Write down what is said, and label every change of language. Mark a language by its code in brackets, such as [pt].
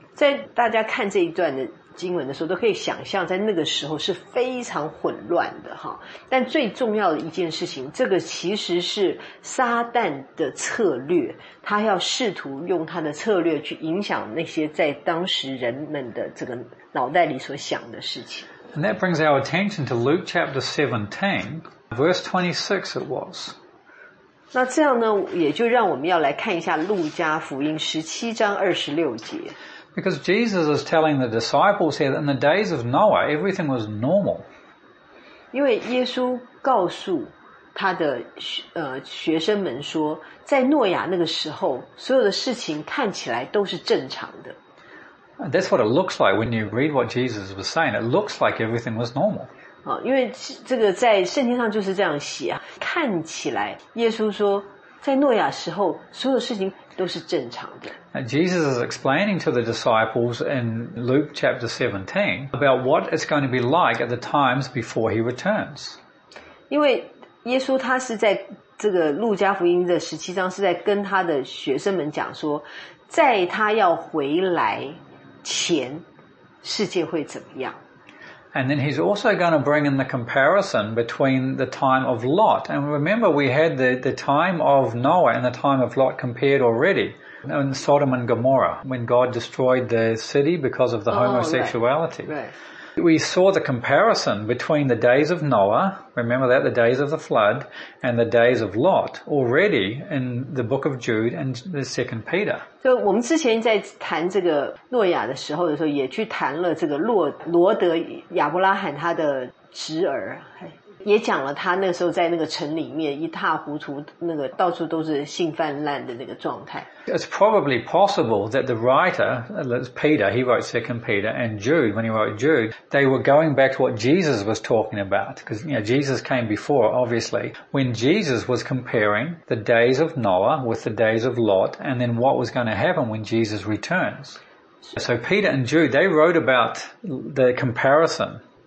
[zh] 在大家看这一段的经文的时候都可以想象在那个时候是非常混乱的。但最重要的一件事情，这个其实是撒旦的策略，他要试图用他的策略去影响那些在当时人们的这个脑袋里所想的事情。 [en] And that brings our attention to Luke chapter 17 verse 26 it was. [zh] 那这样呢也就让我们要来看一下路加福音17章26节。 [en] Because Jesus is telling the disciples here that in the days of Noah, everything was normal. [zh] 因为耶稣告诉他的学生们说，在诺亚那个时候，所有的事情看起来都是正常的。 [en] That's what it looks like when you read what Jesus was saying. It looks like everything was normal. [zh] 因为这个在圣经上就是这样写啊，看起来耶稣说，在诺亚时候，所有事情都是正常的。 [en] Jesus is explaining to the disciples in Luke chapter 17 about what it's going to be like at the times before he returns. [zh] 因为耶稣他是在这个路加福音的十七章是在跟他的学生们讲说，在他要回来前，世界会怎么样。 [en] And then he's also going to bring in the comparison between the time of Lot. And remember, we had the time of Noah and the time of Lot compared already in Sodom and Gomorrah when God destroyed the city because of the homosexuality. Right, right. We saw the comparison between the days of Noah, remember that, the days of the flood, and the days of Lot already in the book of Jude and the second Peter. [zh] 就我们之前在谈这个诺亚的时候的时候也去谈了这个罗德亚伯拉罕他的侄儿，也讲了他那时候在那个城里面一塌糊涂，那个到处都是性泛滥的那个状态。 [en] It's probably possible that the writer, that's Peter, he wrote 2 Peter, and Jude, when he wrote Jude, they were going back to what Jesus was talking about. Because, you know, Jesus came before, obviously, when Jesus was comparing the days of Noah with the days of Lot, and then what was going to happen when Jesus returns. So Peter and Jude, they wrote about the comparison.